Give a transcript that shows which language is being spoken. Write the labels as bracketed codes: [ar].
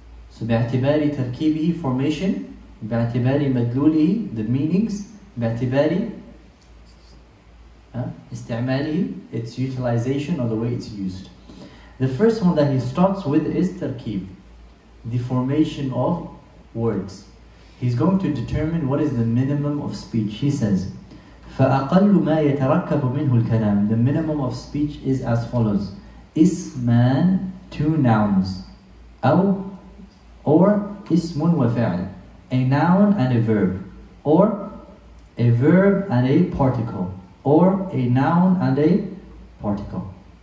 [en] So bi'atibari tarkibihi, formation, bi'atibari madlulihi, the meanings, bi'atibari isti'malihi, its utilization or the way it's used. The first one that he starts with is tarkib, the formation of words. He's going to determine what is the minimum of speech. He says, [ar] فَأَقَلُّ مَا يَتَرَكَّبُ مِنْهُ الْكَلَامُ. [en] The minimum of speech is as follows. إِسْمًا, two nouns. أو, or إِسْمٌ وَفَعْلٌ, a noun and a verb. Or a verb and a particle. Or a noun and a particle.